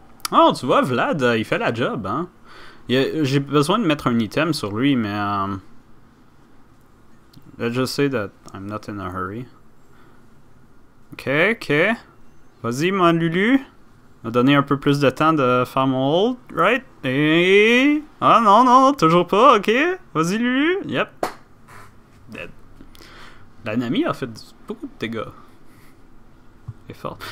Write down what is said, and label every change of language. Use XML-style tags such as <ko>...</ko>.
<fr>Oh, tu vois, Vlad, il fait la job, hein. J'ai besoin de mettre un item sur lui, mais...</fr> <en>Let's just say that I'm not in a hurry.</en> <fr>Ok, ok. Vas-y, mon Lulu. Il m'a donné un peu plus de temps de faire mon hold, right? Et... Ah non, non, toujours pas, ok. Vas-y, Lulu.</fr> <en>Yep. Dead.</en> <fr>La Nami a fait beaucoup de dégâts. Et fort.</fr>